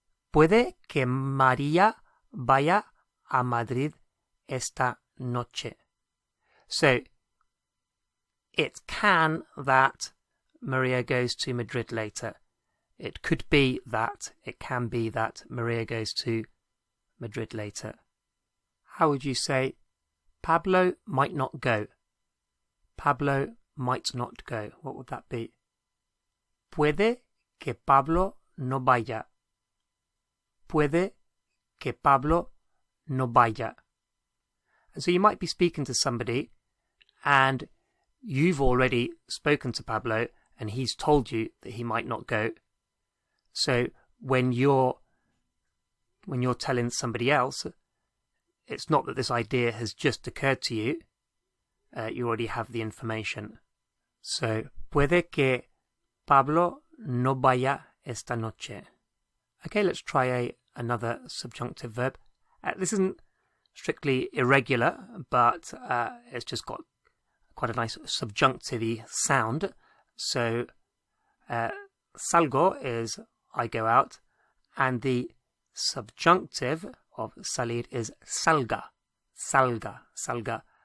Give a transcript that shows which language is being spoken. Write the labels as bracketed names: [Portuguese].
[Spanish] Puede que María vaya a Madrid esta noche. [English] So, it can that Maria goes to Madrid later. It could be that, it can be that Maria goes to Madrid later. How would you say Pablo might not go? Pablo might not go. What would that be? [Spanish] Puede que Pablo no vaya. Puede que Pablo no vaya. [English] And so you might be speaking to somebody and you've already spoken to Pablo and he's told you that he might not go. So when you're telling somebody else, it's not that this idea has just occurred to you. You already have the information. So, [Spanish] puede que Pablo no vaya esta noche. [English] Okay, let's try another subjunctive verb. This isn't strictly irregular, but it's just got quite a nice subjunctive-y sound. So, salgo is I go out, and the subjunctive of salir is salga, salga, salga.